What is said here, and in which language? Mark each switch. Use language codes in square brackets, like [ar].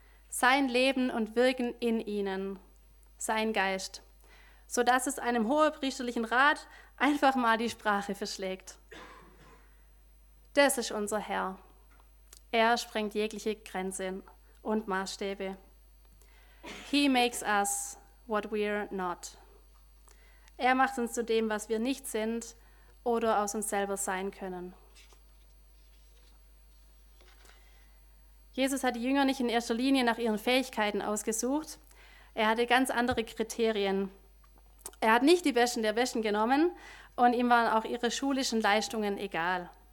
[de] Sein Leben und Wirken in ihnen. Sein Geist. Sodass es einem hohepriesterlichen Rat einfach mal die Sprache verschlägt. Das ist unser Herr. Er sprengt jegliche Grenzen und Maßstäbe. [en] He makes us what we're not. [de] Er macht uns zu dem, was wir nicht sind oder aus uns selber sein können. Jesus hat die Jünger nicht in erster Linie nach ihren Fähigkeiten ausgesucht. Er hatte ganz andere Kriterien. Er hat nicht die Besten der Besten genommen und ihm waren auch ihre schulischen Leistungen egal.